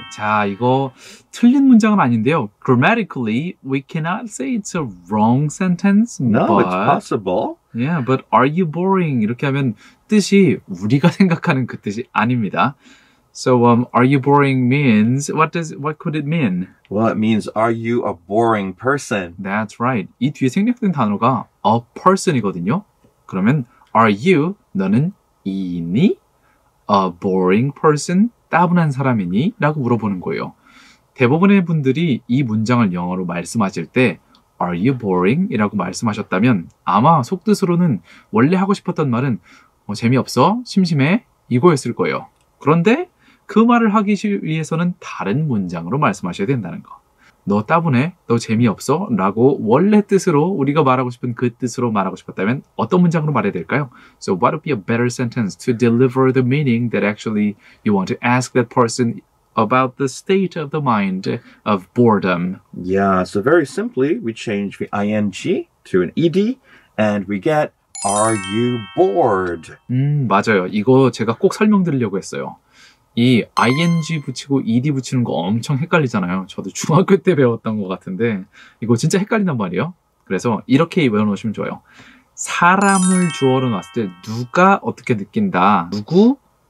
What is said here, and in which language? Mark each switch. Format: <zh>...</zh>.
<ko>자, 이거 틀린 문장은 아닌데요.</ko> <en>Grammatically, we cannot say it's a wrong sentence. No, but, it's possible. Yeah, but are you boring?</en> <ko>이렇게 하면 뜻이 우리가 생각하는 그 뜻이 아닙니다.</ko> <en>So, are you boring means, what could it mean? Well, it means, are you a boring person? That's right.</en> <ko>이 뒤에 생략된 단어가</ko> <en>a person</en> <ko>이거든요. 그러면,</ko> <en>are you,</en> <ko>너는 이니?</ko> <en>A boring person,</en> <ko>따분한 사람이니? 라고 물어보는 거예요. 대부분의 분들이 이 문장을 영어로 말씀하실 때,</ko> <en>are you boring?</en> <ko>이라고 말씀하셨다면, 아마 속뜻으로는 원래 하고 싶었던 말은, 재미없어? 심심해? 이거였을 거예요. 그런데, 그 말을 하기 위해서는 다른 문장으로 말씀하셔야 된다는 거. 너 따분해? 너 재미없어? 라고 원래 뜻으로 우리가 말하고 싶은 그 뜻으로 말하고 싶었다면 어떤 문장으로 말해야 될까요?</ko> <en>So what would be a better sentence to deliver the meaning that actually you want to ask that person about the state of the mind of boredom? Yeah, so very simply, we change the ing to an ed and we get are you bored?</en> <ko>맞아요. 이거 제가 꼭 설명드리려고 했어요. 이 ing 붙이고 ed 붙이는 거 엄청 헷갈리잖아요. 저도 중학교 때 배웠던 것 같은데 이거 진짜 헷갈린단 말이에요. 그래서 이렇게 외워놓으시면 좋아요. 사람을 주어로 놨을 때 누가 어떻게 느낀다. 누구?</ko>